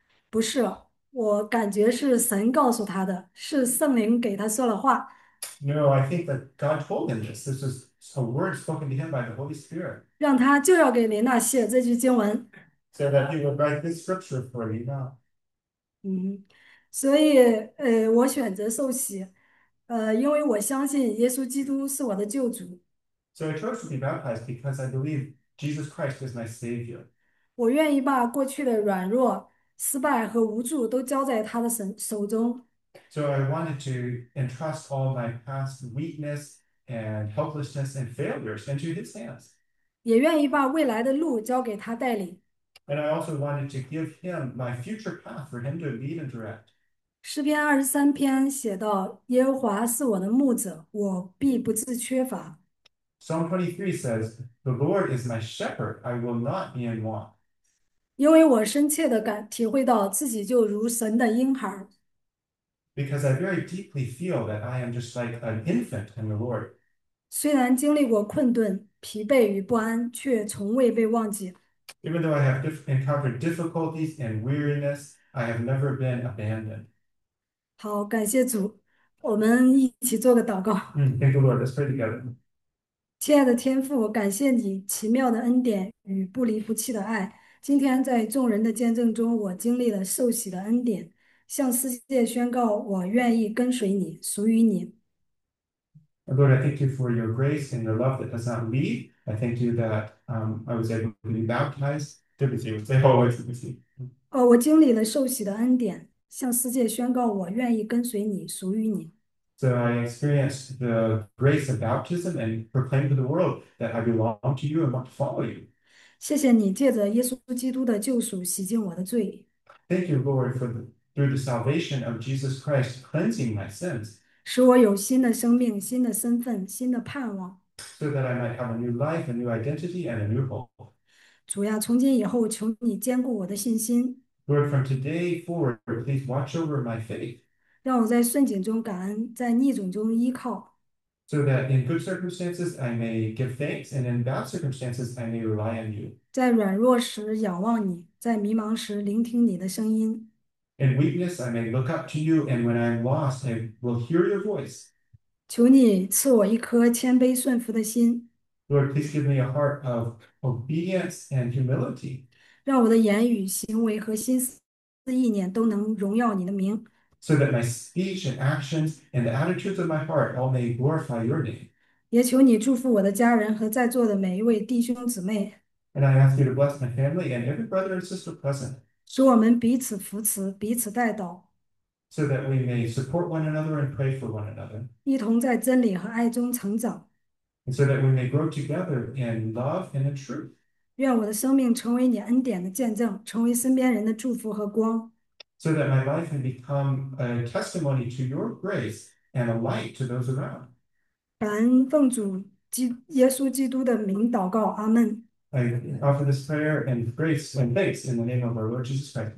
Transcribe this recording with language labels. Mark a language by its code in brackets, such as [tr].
[zh] 不是，我感觉是神告诉他的，是圣灵给他说了话。 [en] No, I think that God told him this. This is a word spoken to him by the Holy Spirit. [zh] 让他就要给琳娜写这句经文。 [en] So that he would write this scripture for you now. [zh] 所以，我选择受洗，因为我相信耶稣基督是我的救主。 [en] So I chose to be baptized because I believe Jesus Christ is my Savior. [zh] 我愿意把过去的软弱、失败和无助都交在他的手中。 [en] So I wanted to entrust all my past weakness and helplessness and failures into his hands. [zh] 也愿意把未来的路交给他带领。 [en] And I also wanted to give him my future path for him to lead and direct. [zh] 诗篇23篇写道：“耶和华是我的牧者，我必不致缺乏。 [en] Psalm 23 says, "The Lord is my shepherd; I will not be in want." [zh] ”因为我深切的感体会到自己就如神的婴孩。 [en] Because I very deeply feel that I am just like an infant in the Lord. [zh] 虽然经历过困顿、疲惫与不安，却从未被忘记。 [en] Even though I have encountered difficulties and weariness, I have never been abandoned. [zh] 好，感谢主，我们一起做个祷告。 [en] Thank you, Lord. Let's pray together. [zh] 亲爱的天父，感谢你奇妙的恩典与不离不弃的爱。今天在众人的见证中，我经历了受洗的恩典，向世界宣告我愿意跟随你，属于你。 [en] Lord, I thank you for your grace and your love that does not leave. I thank you that I was able to be baptized. [zh] 对不起，我最后一次不行。哦，我经历了受洗的恩典。向世界宣告，我愿意跟随你，属于你。 [en] So I experienced the grace of baptism and proclaimed to the world that I belong to you and want to follow you. [zh] 谢谢你借着耶稣基督的救赎洗净我的罪， [en] Thank you, Lord, for the through the salvation of Jesus Christ cleansing my sins. [zh] 使我有新的生命、新的身份、新的盼望。 [en] So that I might have a new life, a new identity, and a new hope. [zh] 主呀，从今以后，求你坚固我的信心。 [en] Lord, from today forward, please watch over my faith. [zh] 让我在顺境中感恩，在逆境中依靠。 [en] So that in good circumstances I may give thanks, and in bad circumstances I may rely on you. [zh] 在软弱时仰望你，在迷茫时聆听你的声音。 [en] In weakness I may look up to you, and when I'm lost, I will hear your voice. [zh] 求你赐我一颗谦卑顺服的心， [en] Lord, please give me a heart of obedience and humility [zh] 让我的言语、行为和心思意念都能荣耀你的名。 [en] so that my speech and actions and the attitudes of my heart all may glorify your name. [zh] 也求你祝福我的家人和在座的每一位弟兄姊妹， [en] And I ask you to bless my family and every brother and sister present [zh] 使我们彼此扶持，彼此带导， [en] so that we may support one another and pray for one another. [zh] 一同在真理和爱中成长。 [en] And so that we may grow together in love and in truth. [zh] 愿我的生命成为你恩典的见证，成为身边人的祝福和光。 [en] So that my life may become a testimony to your grace and a light to those around. [zh] 感恩奉主基耶稣基督的名祷告，阿门。 [en] I offer this prayer and grace and thanks in the name of our Lord Jesus Christ.